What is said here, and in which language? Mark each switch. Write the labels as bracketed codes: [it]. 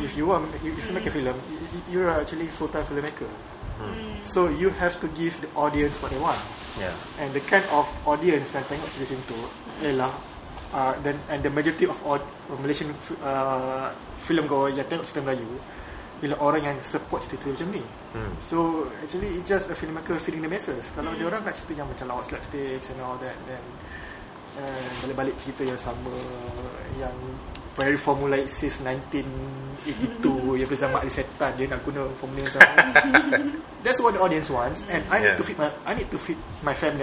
[en] If you want, if you make a film, you're actually full time filmmaker. Hmm. So you have to give the audience what they want. Yeah. And the kind of audience [ms] yang tengok cerita itu ialah [en] and the majority of Malaysian film goer [ms] yang tengok cerita Melayu ialah orang yang support cerita macam ni. [en] So actually it's just a filmmaker feeding the masses. [ms] Kalau dia orang nak cerita yang macam lawak slapsticks [en] and all that, [ms] then balik-balik cerita yang sama yang [en] very formulaic since 1982 [ms] yang bersama Ali Setan, dia nak guna formula yang sama. [en] That's what the audience wants, and I need to feed my family.